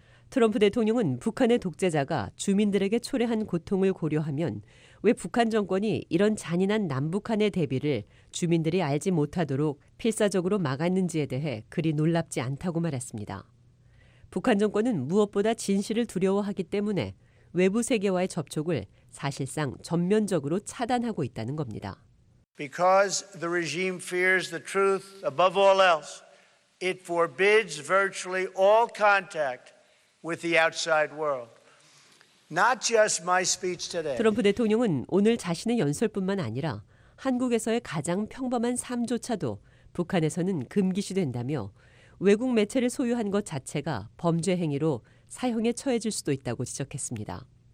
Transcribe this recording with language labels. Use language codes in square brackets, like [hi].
[ko] 트럼프 대통령은 북한의 독재자가 주민들에게 초래한 고통을 고려하면 왜 북한 정권이 이런 잔인한 남북한의 대비를 주민들이 알지 못하도록 필사적으로 막았는지에 대해 그리 놀랍지 않다고 말했습니다. 북한 정권은 무엇보다 진실을 두려워하기 때문에 외부 세계와의 접촉을 사실상 전면적으로 차단하고 있다는 겁니다. [en] Because the regime fears the truth above all else, it forbids virtually all contact with the outside world. Not just my speech today. [ko] 트럼프 대통령은 오늘 자신의 연설뿐만 아니라 한국에서의 가장 평범한 삶조차도 북한에서는 금기시된다며 외국 매체를 소유한 것 자체가 범죄 행위로 사형에 처해질 수도 있다고 지적했습니다.